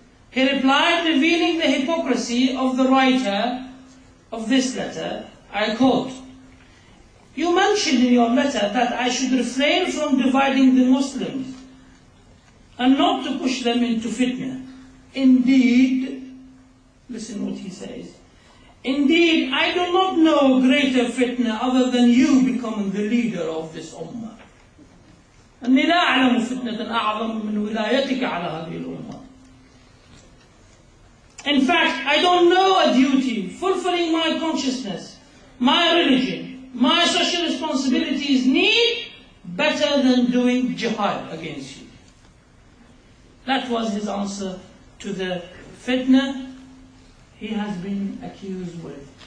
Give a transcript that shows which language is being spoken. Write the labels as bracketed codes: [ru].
[en] He replied, revealing the hypocrisy of the writer of this letter, I quote, "You mentioned in your letter that I should refrain from dividing the Muslims and not to push them into fitna. Indeed," listen what he says, "indeed, I do not know greater fitna other than you becoming the leader of this ummah. [ar] أني لا أعلم فتنة أعظم من ولايتك على هذه الأمة. [en] In fact, I don't know a duty fulfilling my consciousness, my religion, my social responsibilities need better than doing jihad against you." That was his answer to the fitna he has been accused with.